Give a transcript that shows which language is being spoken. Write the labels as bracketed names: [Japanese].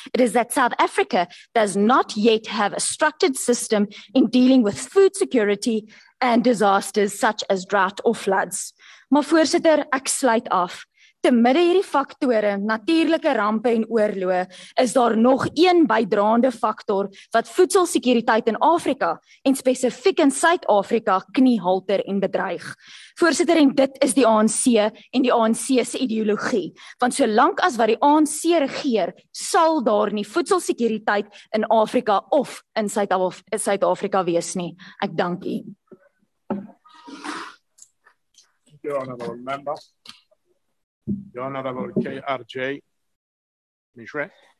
[English] It is that South Africa does not yet have a structured system in dealing with food security and disasters such as drought or floods. [Afrikaans] Maar voorsitter, ek sluit af. Te midde hierdie faktore, natuurlike rampe en oorloë, is daar nog een bydraende faktor wat voedselsekuriteit in Afrika en spesifiek in Suid-Afrika kniehalter en bedreig. Voorsitter, en dit is die ANC en die ANC se ideologie. Want solank as wat die ANC regeer, sal daar nie voedselsekuriteit in Afrika of in Suid-Afrika wees nie. Ek dank u. [English] The Honourable Member, the Honourable K.R.J. Mishre.